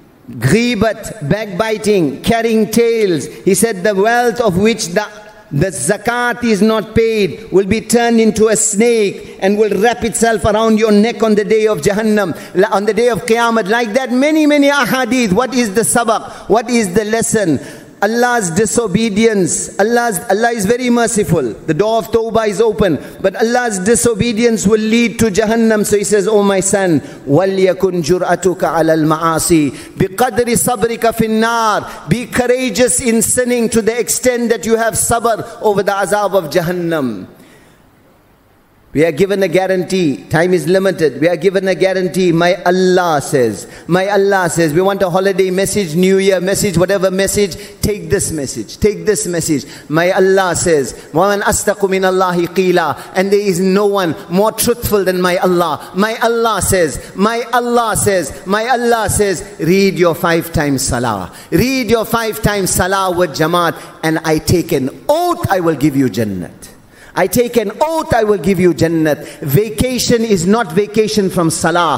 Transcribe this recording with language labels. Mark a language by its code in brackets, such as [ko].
[en] Ghibat, backbiting, carrying tails. He said the wealth of which the zakat is not paid will be turned into a snake and will wrap itself around your neck on the day of Jahannam, on the day of Qiyamah. Like that, many, many ahadith. What is the sabak? What is the lesson? Allah's disobedience, Allah is very merciful. The door of Tawbah is open. But Allah's disobedience will lead to Jahannam. So he says, oh my son, [ar] وَلْيَكُنْ جُرْأَتُكَ عَلَى الْمَعَاصِي بِقَدْرِ صَبْرِكَ فِي النَّارِ. [en] Be courageous in sinning to the extent that you have sabr over the azab of Jahannam. We are given a guarantee. Time is limited. We are given a guarantee. My Allah says, we want a holiday message, New Year message, whatever message. Take this message. My Allah says, [ar] وَمَنْ أَسْتَقُ مِنَ اللَّهِ قِيلًا. [en] And there is no one more truthful than my Allah. My Allah says, read your five times salah with Jamaat, and I take an oath I will give you Jannah. I take an oath I will give you Jannat. Vacation is not vacation from Salah.